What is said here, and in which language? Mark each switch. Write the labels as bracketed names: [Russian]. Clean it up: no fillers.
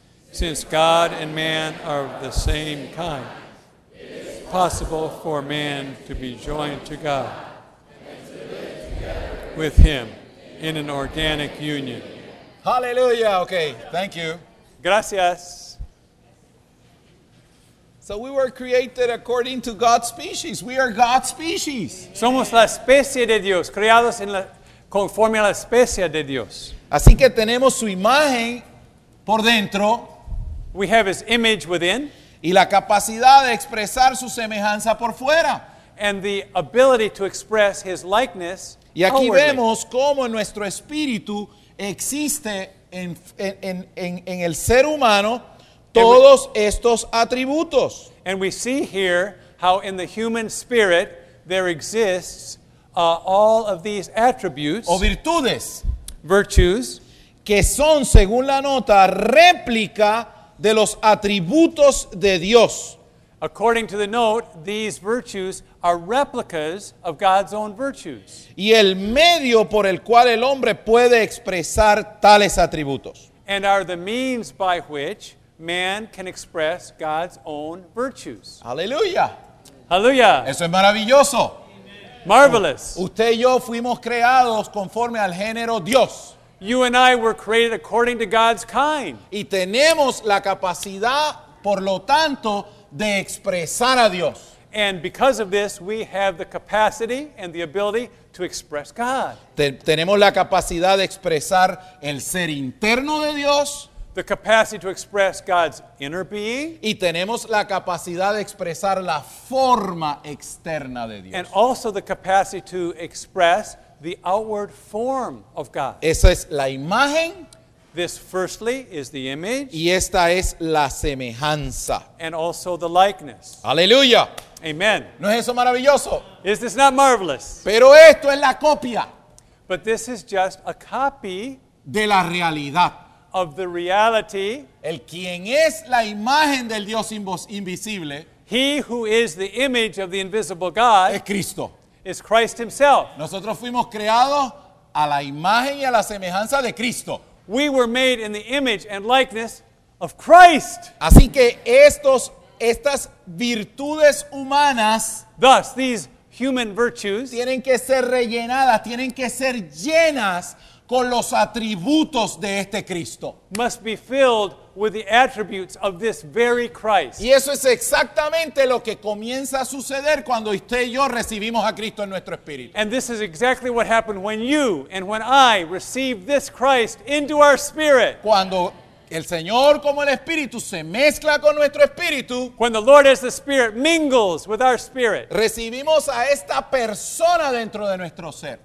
[English] Since God and man are of the same kind, it is possible for man to be joined to God with him in an organic union. Hallelujah. Okay. Thank you. [Spanish] Gracias. [English] So we were created according to God's species. We are God's species. [Spanish] Somos la especie de Dios, creados en la, conforme a la especie de Dios. Así que tenemos su imagen por dentro. [English] We have his image within. [Spanish] Y la capacidad de expresar su semejanza por fuera. [English] And the ability to express his likeness. [Spanish] Y aquí [English] outwardly. [Spanish] Vemos cómo nuestro espíritu existe en el ser humano todos estos atributos. [English] And we see here how in the human spirit there exists all of these attributes, [Spanish] o virtudes, [English] virtues, [Spanish] que son, según la nota, réplica de los atributos de Dios. [English] According to the note, these virtues are replicas of God's own virtues. [Spanish] Y el medio por el cual el hombre puede expresar tales atributos. [English] And are the means by which man can express God's own virtues. [Spanish] Aleluya. Aleluya. Eso es maravilloso. [English] Marvelous. [Spanish] Usted y yo fuimos creados conforme al género Dios. [English] You and I were created according to God's kind. [Spanish] Y tenemos la capacidad, por lo tanto, de expresar a Dios. [English] And because of this, we have the capacity and the ability to express God. [Spanish] Tenemos la capacidad de expresar el ser interno de Dios. [English] The capacity to express God's inner being. [Spanish] Y tenemos la capacidad de expresar la forma externa de Dios. [English] And also the capacity to express the outward form of God. [Spanish] Esa es la imagen. [English] This firstly is the image. [Spanish] Y esta es la semejanza. [English] And also the likeness. [Spanish] Aleluya. [English] Amen. [Spanish] ¿No es eso maravilloso? [English] Is this not marvelous? [Spanish] Pero esto es la copia. [English] But this is just a copy [Spanish] de la realidad. [English] Of the reality. [Spanish] El quien es la imagen del Dios invisible. [English] He who is the image of the invisible God. [Spanish] Es Cristo. [English] Is Christ himself. [Spanish] Nosotros fuimos creados a la imagen y a la semejanza de Cristo. [English] We were made in the image and likeness of Christ. [Spanish] Así que estas virtudes humanas. [English] Thus, these human virtues. [Spanish] Tienen que ser rellenadas, tienen que ser llenas con los atributos de este Cristo. [English] Must be filled with the attributes of this very Christ. [Spanish] Y eso es exactamente lo que comienza a suceder cuando usted y yo recibimos a Cristo en nuestro espíritu. [English] And this is exactly what happened when you and when I received this Christ into our spirit. [Spanish] Cuando el Señor como el Espíritu se mezcla con nuestro espíritu. [English] When the Lord as the Spirit mingles with our spirit. [Spanish] Recibimos a esta persona dentro de nuestro ser.